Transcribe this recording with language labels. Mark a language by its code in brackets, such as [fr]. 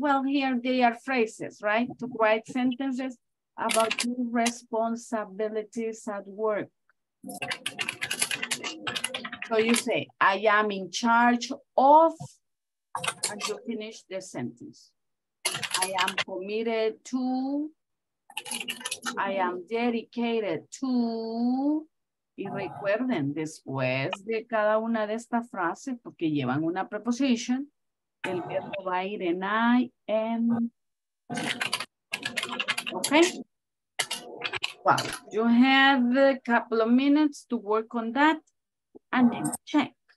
[en] Well, here they are phrases, right? To write sentences about your responsibilities at work. So you say, I am in charge of, and you finish the sentence. I am committed to, I am dedicated to, [es] y recuerden, después de cada una de estas frases, porque llevan una preposición, el verbo va a ir en I, N. [en] Okay? Well, you have a couple of minutes to work on that and then check.